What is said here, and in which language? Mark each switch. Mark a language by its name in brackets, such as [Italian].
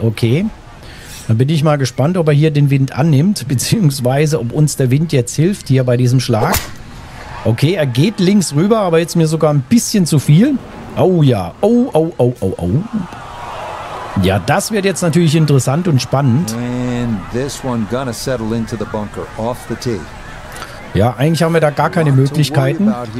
[German] Okay, dann bin ich mal gespannt, ob er hier den Wind annimmt, beziehungsweise ob uns der Wind jetzt hilft hier bei diesem Schlag. Okay, er geht links rüber, aber jetzt mir sogar ein bisschen zu viel. Oh ja, oh, oh, oh, oh, oh. Ja, das wird jetzt natürlich interessant und spannend. [English] And this one gonna settle into the bunker, off the tee. [German] Ja, eigentlich haben wir da gar keine Möglichkeiten.